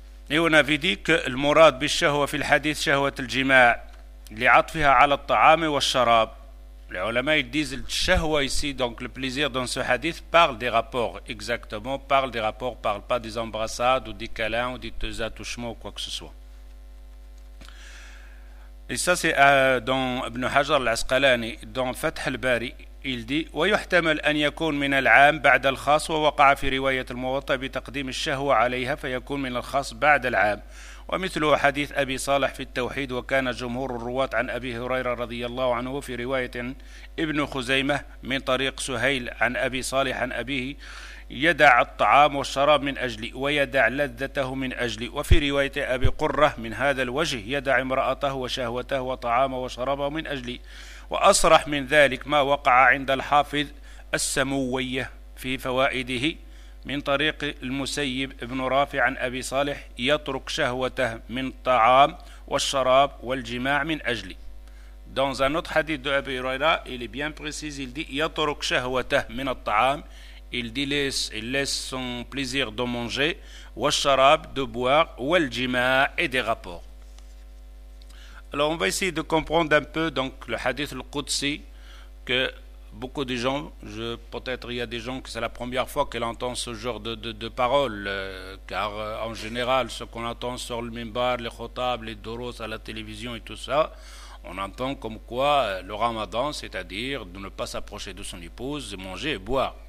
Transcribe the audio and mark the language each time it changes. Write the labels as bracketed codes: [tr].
[fr] Et on avait dit que le [ar] murad bi shahwa fil hadith shahwat al-jima'. لعطفها على الطعام والشراب. [fr] Les ulama ils disent le shahwa ici, donc le plaisir dans ce hadith parle des rapports, exactement, parle des rapports, parle pas des embrassades ou des câlins ou des attouchements ou quoi que ce soit. Et ça c'est dans Ibn Hajar al-Asqalani, dans Fath al-Bari, il dit [ar] « وَيُحْتَمَلْ أَنْ يَكُونْ مِنَ الْعَامِ بَعْدَ الْخَاصِ وَوَقَعَ فِي رِوَيَةِ الْمُوَطَّى بِتَقْدِيمِ الشَّهْوَ عَلَيْهَا فَيَكُونْ مِنَ الْخَاصِ بَعْدَ الْعَامِ ومثله حديث أبي صالح في التوحيد وكان جمهور الرواة عن أبي هريرة رضي الله عنه في رواية ابن خزيمة من طريق سهيل عن أبي صالح عن أبيه يدع الطعام والشراب من أجلي ويدع لذته من أجلي وفي رواية أبي قرة من هذا الوجه يدع امرأته وشهوته وطعامه وشرابه من أجلي وأصرح من ذلك ما وقع عند الحافظ السموية في فوائده من طريق المسيب ابن رافع عن أبي صالح يترك شهوته من الطعام والشراب والجماع من أجلي. [fr] Dans un autre hadith de Abu Huraira, il est bien précis, il dit [ar] يترك شهوته من الطعام, [fr] il laisse son plaisir de manger, والشراب de boire, والجماع et des rapports. Alors on va essayer de comprendre un peu donc le hadith al-Qudsi que beaucoup de gens, peut-être il y a des gens que c'est la première fois qu'ils entendent ce genre de paroles, car en général, ce qu'on entend sur le mimbar, les khotab, les doros à la télévision et tout ça, on entend comme quoi le ramadan, c'est-à-dire de ne pas s'approcher de son épouse, manger et boire.